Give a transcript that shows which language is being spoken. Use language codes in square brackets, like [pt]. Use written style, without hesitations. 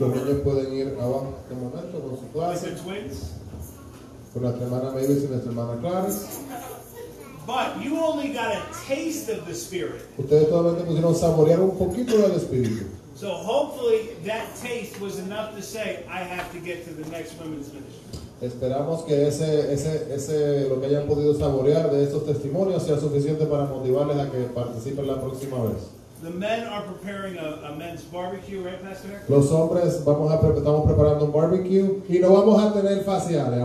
[es] Los niños pueden ir abajo en este momento con su clase. [en] With the twins. [es] Con la hermana Mavis y nuestra hermana Clarice. [en] But you only got a taste of the Spirit. [es] Ustedes solamente pudieron saborear un poquito del Espíritu. [en] So hopefully that taste was enough to say, I have to get to the next women's ministry. [es] Esperamos que ese lo que hayan podido saborear de estos testimonios sea suficiente para motivarles a que participen la próxima vez. [en] The men are preparing a men's barbecue, right, Pastor Eric? [es] Los hombres estamos preparando un barbecue y no vamos a tener faciales.